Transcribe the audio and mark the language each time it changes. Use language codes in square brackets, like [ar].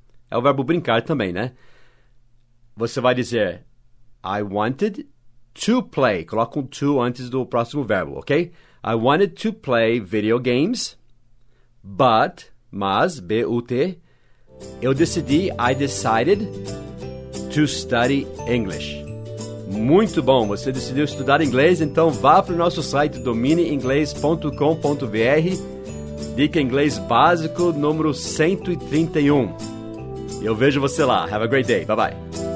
[pt] É o verbo brincar também, né? Você vai dizer [en] I wanted to play. [pt] Coloca um to antes do próximo verbo, ok? [en] I wanted to play video games, but, [pt] mas, [en] B-U-T, [pt] eu decidi, [en] I decided to study English. [pt] Muito bom, você decidiu estudar inglês, então vá para o nosso site domineinglês.com.br, dica inglês básico número 131. Eu vejo você lá. [en] Have a great day. Bye bye.